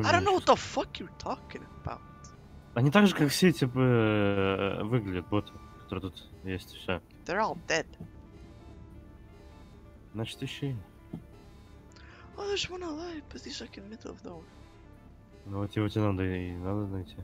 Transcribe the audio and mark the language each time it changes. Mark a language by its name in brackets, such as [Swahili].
[English] I don't know what the fuck you're talking about. [Russian] Они так же, как все эти выглядят боты, которые тут есть, все. [English] They're all dead. [Russian] Значит, ищи. [English] Oh, there's one alive, but he's like in the middle of nowhere. [Russian] Ну вот его тебе надо и надо найти.